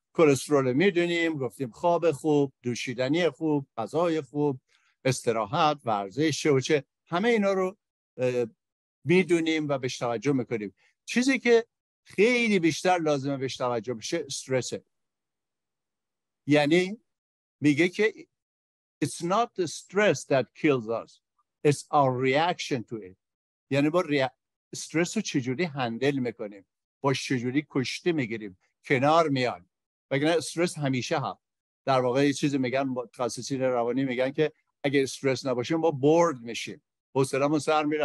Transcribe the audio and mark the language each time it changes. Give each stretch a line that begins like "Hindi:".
Persian: کلسترول میدونیم، گفتیم خواب خوب، دوشیدنی خوب، غذای خوب، استراحت، ورزش و چه همه اینا رو میدونیم و بهش توجه میکنیم. چیزی که خیلی بیشتر لازمه بهش توجه بشه استرسه. یعنی میگه که
English: It's not the stress that kills us. It's our reaction to it.
Persian: یعنی با استرس رو چجوری هندل میکنیم، با چجوری کشتی میگیریم، کنار میان. وگرنه استرس همیشه هم در واقع یه چیزی میگن متخصصین روانی میگن که اگه استرس نباشیم ما بورد میشیم، حوصله‌مون سر میره.